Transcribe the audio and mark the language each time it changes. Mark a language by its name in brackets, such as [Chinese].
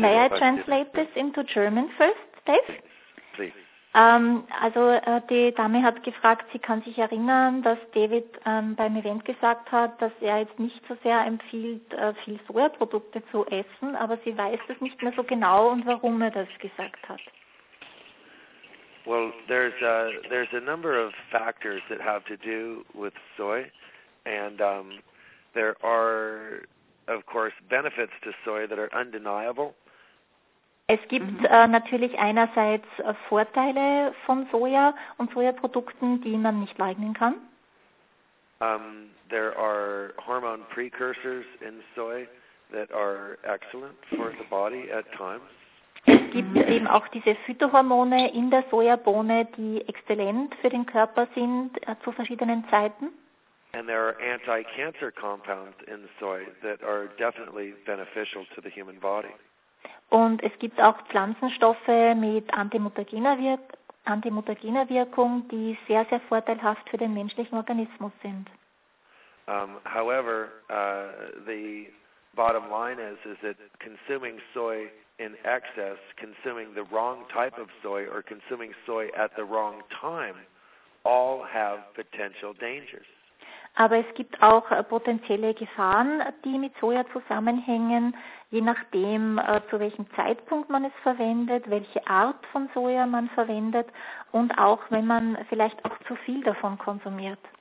[English] May I translate this into German first, Dave? Please. [German] Also die Dame hat gefragt, sie kann sich erinnern, dass David beim Event gesagt hat, dass er jetzt nicht so sehr empfiehlt, viel Sojaprodukte zu essen, aber sie weiß das nicht mehr so genau und warum er das gesagt hat. [English] Well, there's a number of factors that have to do with soy, and there are of course benefits to soy that are undeniable. [German] Es gibt natürlich einerseits Vorteile von Soja und Sojaprodukten, die man nicht leugnen kann. [English] There are hormone precursors in soy that are excellent for the body at times. [German] Es gibt eben auch diese Phytohormone in der Sojabohne, die exzellent für den Körper sind zu verschiedenen Zeiten. [English] And there are anti-cancer compounds in soy that are definitely beneficial to the human body. [German] Und es gibt auch Pflanzenstoffe mit antimutagener Wirkung, die sehr, sehr vorteilhaft für den menschlichen Organismus sind. [English] However, the bottom line is that consuming soy in excess, consuming the wrong type of soy or consuming soy at the wrong time, all have potential dangers. [German] Aber es gibt auch potenzielle Gefahren, die mit Soja zusammenhängen, je nachdem, zu welchem Zeitpunkt man es verwendet, welche Art von Soja man verwendet und auch, wenn man vielleicht auch zu viel davon konsumiert.